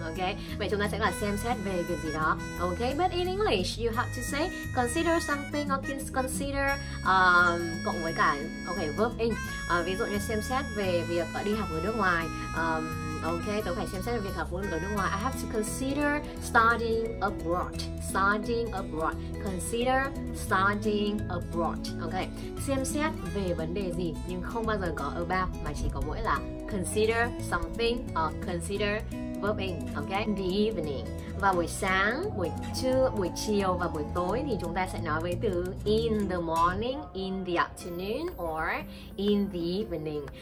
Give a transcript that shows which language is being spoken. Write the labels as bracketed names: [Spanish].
[Vietnamese] Ok, vậy chúng ta sẽ là xem xét về việc gì đó. Ok, [English] but in English you have to say consider something, or consider [Vietnamese] cộng với cả verb in. Ví dụ như xem xét về việc đi học ở nước ngoài. Ok, tôi phải xem xét về việc học ở nước ngoài. [English] I have to consider studying abroad. abroad. Consider studying abroad. [Vietnamese] Ok, xem xét về vấn đề gì nhưng không bao giờ có about, mà chỉ có mỗi là [English] consider something or consider verb in. [Vietnamese] Ok, [English] in the evening, và buổi sáng, buổi trưa, buổi chiều và buổi tối thì chúng ta sẽ nói với từ in the morning, in the afternoon or in the evening.